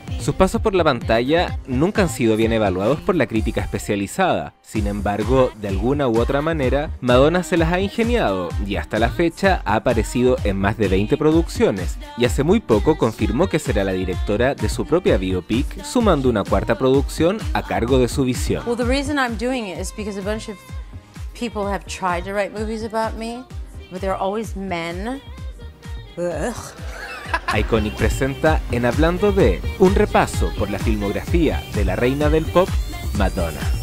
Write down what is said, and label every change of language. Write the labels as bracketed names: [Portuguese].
[Spanish] Sus pasos por la pantalla nunca han sido bien evaluados por la crítica especializada. Sin embargo, de alguna u otra manera, Madonna se las ha ingeniado y hasta la fecha ha aparecido en más de 20 producciones. Y hace muy poco confirmó que será la directora de su propia biopic, sumando una cuarta producción a cargo de su visión. [English] Well, the reason I'm doing it is because a bunch of people have tried to write movies about me, but they're always men. Ugh. [Spanish] Iconic presenta en Hablando de, un repaso por la filmografía de la reina del pop, Madonna.